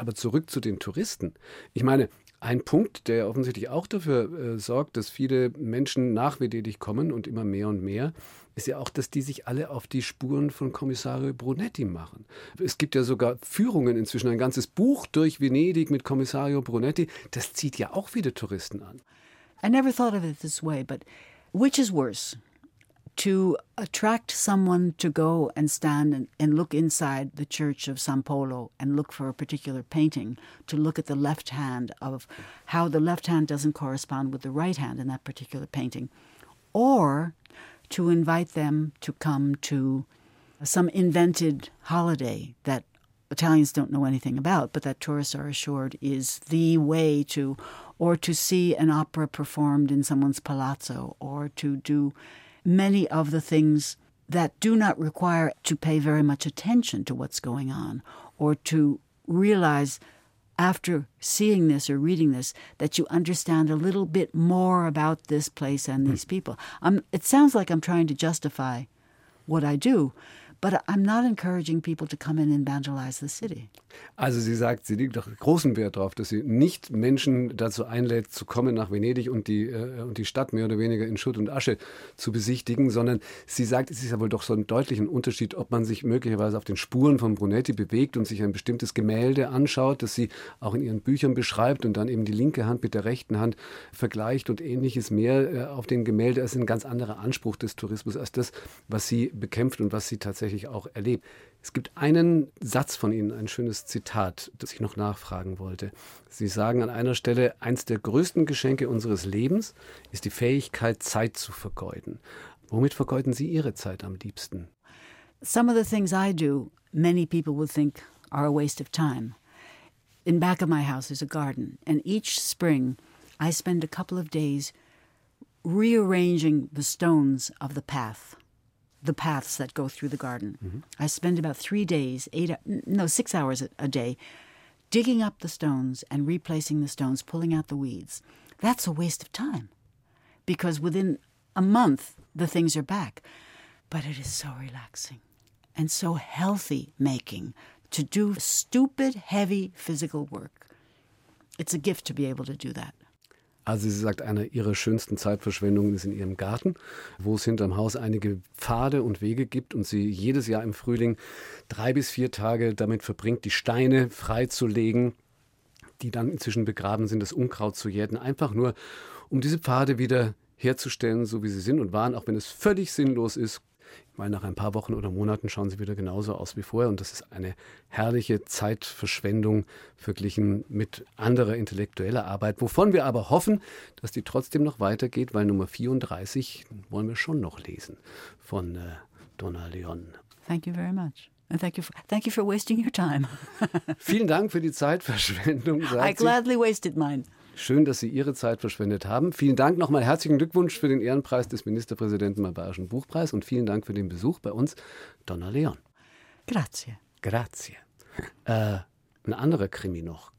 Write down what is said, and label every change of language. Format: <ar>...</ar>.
<de>Aber zurück zu den Touristen. Ich meine, ein Punkt, der offensichtlich auch dafür sorgt, dass viele Menschen nach Venedig kommen und immer mehr und mehr, ist ja auch, dass die sich alle auf die Spuren von Kommissario Brunetti machen. Es gibt ja sogar Führungen inzwischen, ein ganzes Buch durch Venedig mit Kommissario Brunetti. Das zieht ja auch viele Touristen an.</de> <en>I never thought of it this way, but which is worse? To attract someone to go and stand and look inside the church of San Polo and look for a particular painting, to look at the left hand of how the left hand doesn't correspond with the right hand in that particular painting, or to invite them to come to some invented holiday that Italians don't know anything about, but that tourists are assured is the way to, or to see an opera performed in someone's palazzo, or to do many of the things that do not require to pay very much attention to what's going on, or to realize after seeing this or reading this that you understand a little bit more about this place and these people. It sounds like I'm trying to justify what I do, but I'm not encouraging people to come in and vandalize the city.</en> <de>Also sie sagt, sie legt doch großen Wert darauf, dass sie nicht Menschen dazu einlädt, zu kommen nach Venedig und die Stadt mehr oder weniger in Schutt und Asche zu besichtigen, sondern sie sagt, es ist ja wohl doch so ein deutlicher Unterschied, ob man sich möglicherweise auf den Spuren von Brunetti bewegt und sich ein bestimmtes Gemälde anschaut, das sie auch in ihren Büchern beschreibt und dann eben die linke Hand mit der rechten Hand vergleicht und ähnliches mehr auf den Gemälde. Das ist ein ganz anderer Anspruch des Tourismus als das, was sie bekämpft und was sie tatsächlich auch erlebt. Es gibt einen Satz von Ihnen, ein schönes Zitat, das ich noch nachfragen wollte. Sie sagen an einer Stelle, eins der größten Geschenke unseres Lebens ist die Fähigkeit, Zeit zu vergeuden. Womit vergeuden Sie Ihre Zeit am liebsten?</de> <en>Some of the things I do, many people would think are a waste of time. In back of my house is a garden. And each spring, I spend a couple of days rearranging the stones of the path. the paths that go through the garden. Mm-hmm. I spend about 3 days, 6 hours a day, digging up the stones and replacing the stones, pulling out the weeds. That's a waste of time, because within a month, the things are back. But it is so relaxing and so healthy making to do stupid, heavy physical work. It's a gift to be able to do that.</en> <de>Also sie sagt, eine ihrer schönsten Zeitverschwendungen ist in ihrem Garten, wo es hinterm Haus einige Pfade und Wege gibt und sie jedes Jahr im Frühling 3 bis 4 Tage damit verbringt, die Steine freizulegen, die dann inzwischen begraben sind, das Unkraut zu jäten, einfach nur, um diese Pfade wieder herzustellen, so wie sie sind und waren, auch wenn es völlig sinnlos ist, weil nach ein paar Wochen oder Monaten schauen sie wieder genauso aus wie vorher und das ist eine herrliche Zeitverschwendung verglichen mit anderer intellektueller Arbeit, wovon wir aber hoffen, dass die trotzdem noch weitergeht, weil Nummer 34 wollen wir schon noch lesen von Donna Leon.</de> <en>Thank you very much. And thank you for wasting your time.</en> <de>Vielen Dank für die Zeitverschwendung.</de> <en>I gladly wasted mine.</en> <de>Schön, dass Sie Ihre Zeit verschwendet haben. Vielen Dank nochmal. Herzlichen Glückwunsch für den Ehrenpreis des Ministerpräsidenten beim Bayerischen Buchpreis. Und vielen Dank für den Besuch bei uns, Donna Leon.</de> <it>Grazie. Grazie.</it> <de>Ein anderer Krimi noch.</de>